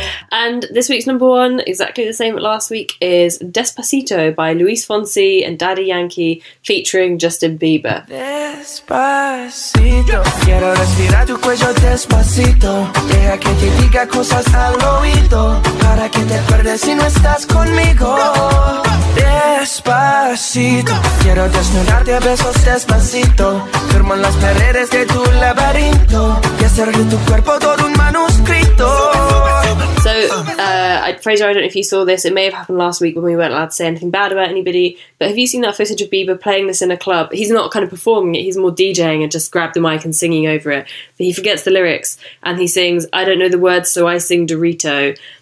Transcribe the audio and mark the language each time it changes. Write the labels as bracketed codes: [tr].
[en] And this week's number one, exactly the same as last week, is Despacito by Luis Fonsi and Daddy Yankee featuring Justin Bieber. [es] Despacito. Quiero respirar tu cuello despacito. Deja que te diga cosas al oído. Para que te acuerdes si no estás conmigo. Despacito. Quiero desnudarte a besos despacito. Firmo las paredes de tu laberinto. Y hacer de tu cuerpo todo un manuscrito. [en] So, Fraser, I don't know if you saw this. It may have happened last week when we weren't allowed to say anything bad about anybody. But have you seen that footage of Bieber playing this in a club? He's not kind of performing it. He's more DJing and just grabbed the mic and singing over it. But he forgets the lyrics and he sings, I don't know the words, so I sing Dorito.